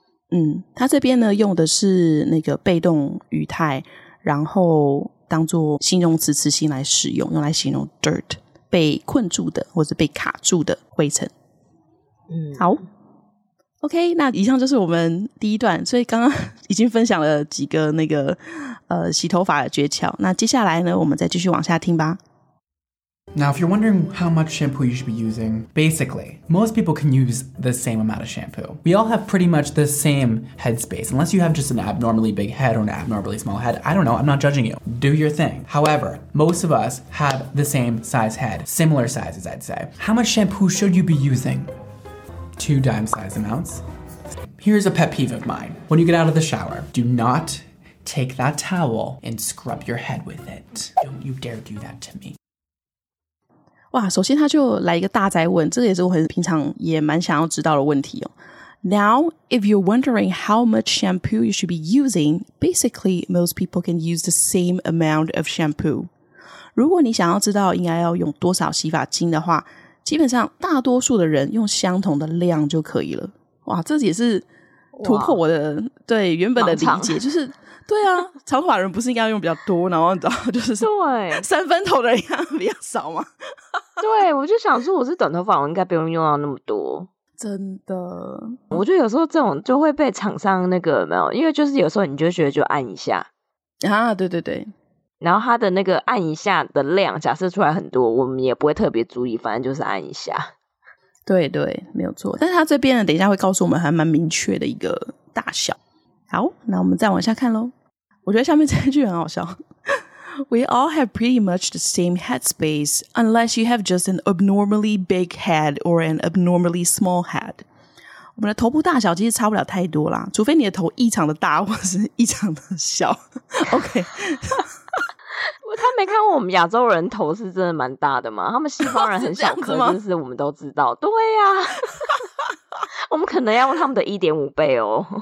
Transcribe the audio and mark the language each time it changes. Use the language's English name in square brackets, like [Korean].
[Chinese] 嗯，他这边呢用的是那个被动语态，然后当作形容词词性来使用，用来形容 dirt 被困住的或是被卡住的灰尘。嗯，好。 OK， 那以上就是我们第一段，所以刚刚已经分享了几个那个洗头发的诀窍。那接下来呢，我们再继续往下听吧。 [English] Now, if you're wondering how much shampoo you should be using, basically, most people can use the same amount of shampoo. We all have pretty much the same headspace, unless you have just an abnormally big head or an abnormally small head. I don't know, I'm not judging you. Do your thing. However, most of us have the same size head, similar sizes, I'd say. How much shampoo should you be using? 2 dime-sized amounts. Here's a pet peeve of mine. When you get out of the shower, do not take that towel and scrub your head with it. Don't you dare do that to me. [Chinese] 哇，首先他就来一个大宅问，这个也是我很平常也蛮想要知道的问题哦。 [English] Now, if you're wondering how much shampoo you should be using, basically, most people can use the same amount of shampoo. [Chinese] 如果你想要知道应该要用多少洗发精的话，基本上大多数的人用相同的量就可以了。哇，这也是突破我的对原本的理解，就是对啊，长头发人不是应该用比较多，然后你知道就是对三分头的人比较少吗？对，我就想说我是短头发，我应该不用用到那么多。真的，我就有时候这种就会被厂商那个没有，因为就是有时候你就觉得就按一下啊，对对对，然后他的那个按一下的量假设出来很多，我们也不会特别注意，反正就是按一下。对对，没有错。但是他这边呢，等一下会告诉我们还蛮明确的一个大小。好，那我们再往下看咯。我觉得下面这一句很好笑。 [English] We all have pretty much the same headspace, unless you have just an abnormally big head or an abnormally small head. [Chinese] 我们的头部大小其实差不了太多啦，除非你的头异常的大或是异常的小。 OK. 他没看过我们亚洲人头是真的蛮大的吗？他们西方人很小颗，就是我们都知道。对呀、啊。我们可能要用他们的 1.5 倍哦。